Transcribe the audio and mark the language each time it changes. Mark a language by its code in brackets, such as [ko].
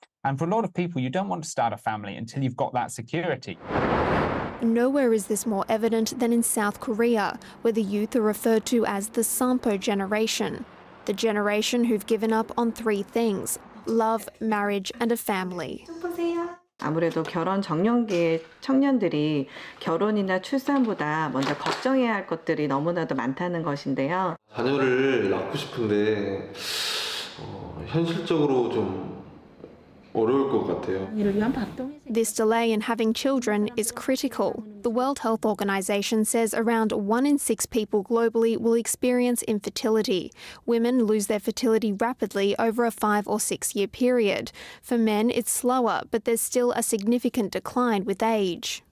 [en] And for a lot of people, you don't want to start a family until you've got that security. Nowhere is this more evident than in South Korea, where the youth are referred to as the Sampo generation. the generation who've given up on three things: love, marriage and a family. [ko] 아무래도 결혼 적령기의 청년들이 결혼이나 출산보다 먼저 걱정해야 할 것들이 너무나도 많다는 것인데요. 자녀를 낳고 싶은데 현실적으로 좀 어려울 것 같아요. [en] This delay in having children is critical. The World Health Organization says around 1 in 6 people globally will experience infertility. Women lose their fertility rapidly over a 5 or 6 year period. For men, it's slower, but there's still a significant decline with age.